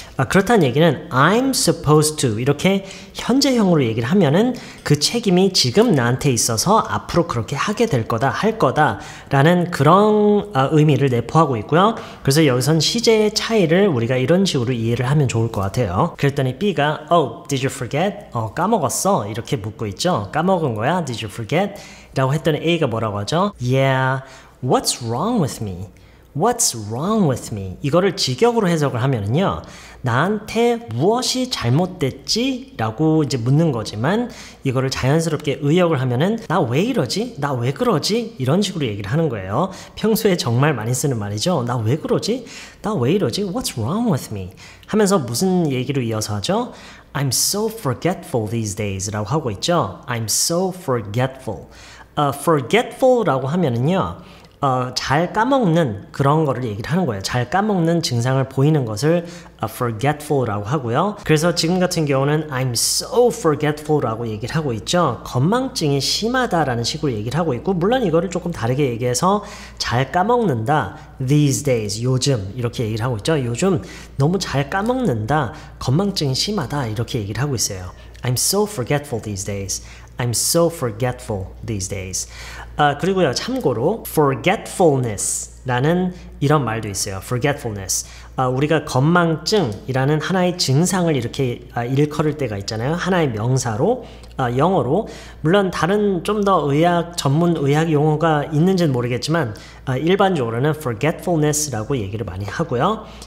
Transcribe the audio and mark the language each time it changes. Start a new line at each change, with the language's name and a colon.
Korean: 그렇다는 얘기는
English: I'm supposed to
Korean: 이렇게 현재형으로 얘기를 하면은 그 책임이 지금 나한테 있어서 앞으로 그렇게 하게 될 거다 할 거다 라는 그런 의미를 내포하고 있고요. 그래서 여기선 시제의 차이를 우리가 이런 식으로 이해를 하면 좋을 것 같아요. 그랬더니 B가
English: Oh, did you forget?
Korean: 까먹었어 이렇게 묻고 있죠. 까먹은 거야?
English: Did you forget?
Korean: 라고 했더니 A가 뭐라고 하죠?
English: Yeah, what's wrong with me? What's wrong with me?
Korean: 이거를 직역으로 해석을 하면은요 나한테 무엇이 잘못됐지? 라고 이제 묻는 거지만 이거를 자연스럽게 의역을 하면은 나 왜 이러지? 나 왜 그러지? 이런 식으로 얘기를 하는 거예요. 평소에 정말 많이 쓰는 말이죠. 나 왜 그러지? 나 왜 이러지?
English: What's wrong with me?
Korean: 하면서 무슨 얘기로 이어서 하죠?
English: I'm so forgetful these days
Korean: 라고 하고 있죠.
English: I'm so forgetful.
Korean: Forgetful 라고 하면은요 잘 까먹는 그런 거를 얘기를 하는 거예요. 잘 까먹는 증상을 보이는 것을 forgetful라고 하고요. 그래서 지금 같은 경우는
English: I'm so forgetful
Korean: 라고 얘기를 하고 있죠. 건망증이 심하다라는 식으로 얘기를 하고 있고 물론 이거를 조금 다르게 얘기해서 잘 까먹는다.
English: These days,
Korean: 요즘 이렇게 얘기를 하고 있죠. 요즘 너무 잘 까먹는다. 건망증이 심하다 이렇게 얘기를 하고 있어요.
English: I'm so forgetful these days. I'm so forgetful these days.
Korean: 그리고요 참고로 forgetfulness라는 이런 말도 있어요.
English: forgetfulness.
Korean: 우리가 건망증이라는 하나의 증상을 이렇게 일컬을 때가 있잖아요. 하나의 명사로 영어로 물론 다른 좀 더 의학 전문 의학 용어가 있는지는 모르겠지만 일반적으로는 forgetfulness라고 얘기를 많이 하고요.